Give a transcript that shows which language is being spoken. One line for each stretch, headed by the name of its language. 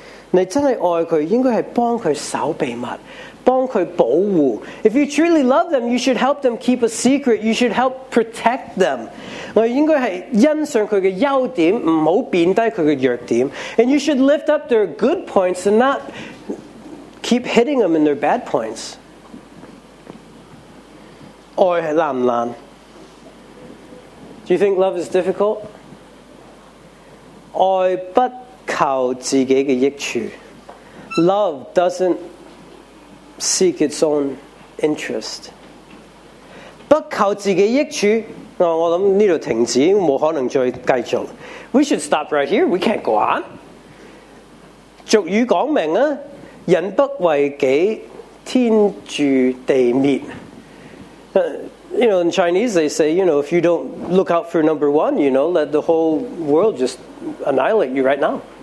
Chinese: 你真的爱他，应该是帮他守秘密，帮他保护。
English: If you truly love them, you should help them keep a secret. You should help protect them.
Chinese: 我应该是欣赏他的优点，不要贬低他的弱点。
English: And you should lift up their good points and not keep hitting them in their bad points.
Chinese: 爱是难不难？
English: Do you think love is difficult?
Chinese: 爱不求自己的益处。
English: Love doesn't seek its own interest.
Chinese: 不求自己益处，我想这里停止，不可能再继续。
English: We should stop right here, we can't go on.
Chinese: 俗语讲明，人不为己，天诛地灭。
English: You know, in Chinese they say, you know, if you don't look out for number one, you know, let the whole world just annihilate you right now.